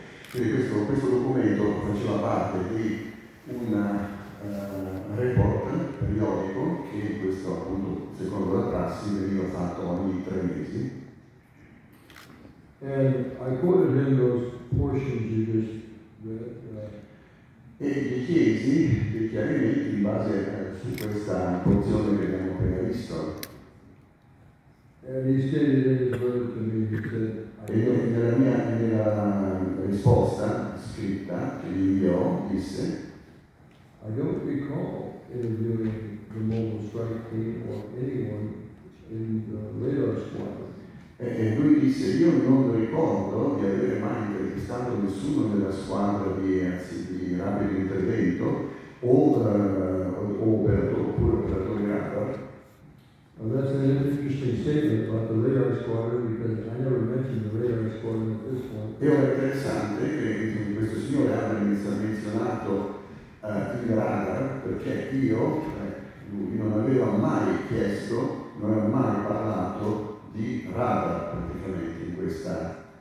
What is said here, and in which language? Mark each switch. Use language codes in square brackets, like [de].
[it] Quindi questo documento faceva parte di un report periodico che questo, appunto, secondo la prassi veniva fatto ogni tre mesi. [en] And I quoted in those portions you just read, [it] e gli chiesi dei chiarimenti in base su questa porzione che abbiamo appena visto. [en] And he stated in his letter to me, he said, [it] e nella risposta scritta che gli inviò, disse: [en] I don't recall interviewing the mobile strike team or anyone in the radar squadron. [it] E lui disse: io non ricordo di avere mai intervistato nessuno nella squadra di rapido intervento o operatore radar. [en] Well, that's an interesting statement about the radar squadron because I never mentioned the radar squadron at this point. [it] È interessante che questo signore abbia menzionato il radar perché lui non aveva mai chiesto, non aveva mai parlato di radar praticamente in questa.